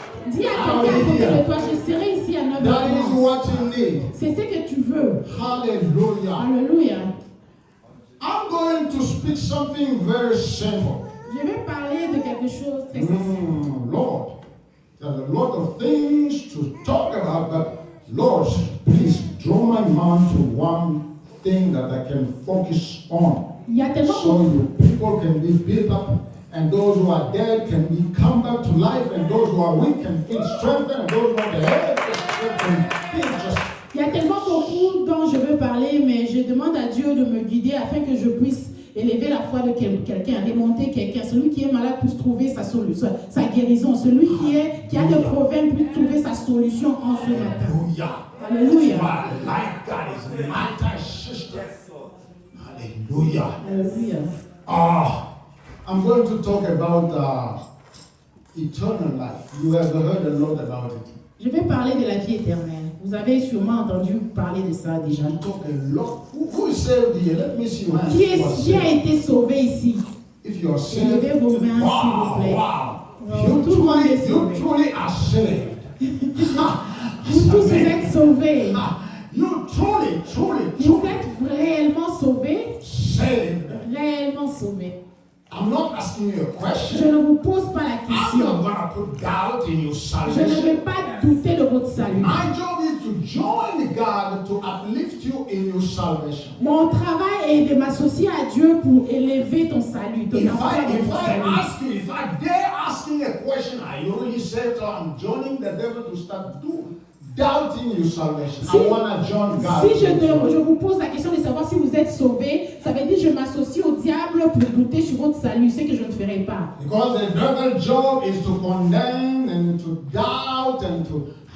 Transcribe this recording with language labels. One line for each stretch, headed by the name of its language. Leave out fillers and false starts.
French: Dis à quelqu'un à côté de toi, je serai ici à 9:30.
English: That is what you need.
French: C'est ce que tu veux.
English: Hallelujah. Hallelujah. I'm going to speak something very simple.
French: Je vais parler de quelque chose très simple.
English: Lord, there's a lot of things to talk about, but Lord, please draw my mind to one thing that I can focus on. So your people can be built up, and those who are dead can be come back to life, and those who are weak can feel strengthened, and those who are dead can feel just.
French: Il y a tellement beaucoup dont je veux parler, mais je demande à Dieu de me guider afin que je puisse élever la foi de quelqu'un, remonter quelqu'un. Celui qui est malade puisse trouver sa solution, sa guérison. Celui qui est qui a des problèmes puisse trouver sa solution en ce matin. Alléluia. Alléluia.
English: My life, God is matter system. Alléluia. Alléluia. Ah, I'm going to talk about eternal life. You have heard a lot about it.
French: Je vais parler de la vie éternelle. Vous avez sûrement entendu parler de ça déjà. Qui a été sauvé ici?
English: If you are saved,
French: levez vos mains,
English: wow,
French: s'il vous plaît. Wow. Wow. Tout le monde est sauvé.
English: You truly are saved.
French: Vous tous vous êtes sauvés.
English: You truly.
French: Vous êtes réellement sauvés?
English: Saved.
French: Réellement sauvés.
English: I'm not asking you a question.
French: Je ne vous pose pas la question.
English: I'm not going to put doubt in your salvation.
French: Je ne vais pas douter de votre salut.
English: My job is to join God to uplift you in your salvation.
French: Mon travail est de m'associer à Dieu pour élever ton salut.
English: If I dare asking a question, are you really saved? So I'm joining the devil to start doubting your salvation.
French: Si,
English: I want to join God.
French: Si je vous pose la question de savoir si vous êtes sauvé, ça veut dire que je m'associe au diable pour douter sur votre salut, ce que je ne ferai pas.
English: Because the devil's job is to condemn and to doubt and to.